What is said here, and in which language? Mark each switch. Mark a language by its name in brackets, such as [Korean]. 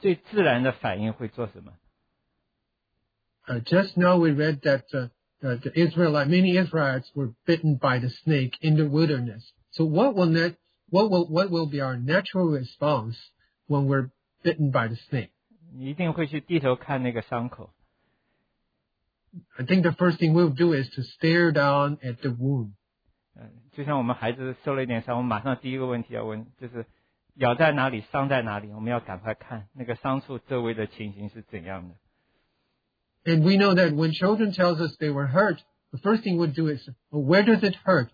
[Chinese] 刚才我们说到旷野里面被蛇咬了，如果一个人被蛇咬了，他最自然的反应会做什么？ [English] Just now we read that many Israelites were bitten by the snake in the wilderness. So what will be our natural response when we're bitten by the snake? [Chinese] 你一定会去低头看那个伤口。 [English] I think the first thing we'll do is to stare down at the wound. [Chinese] 就像我们孩子受了一点伤，我们马上第一个问题要问，就是咬在哪里，伤在哪里，我们要赶快看那个伤处周围的情形是怎样的。 [English] And we know that when children tell us they were hurt, the first thing we'll do is, well, where does it hurt?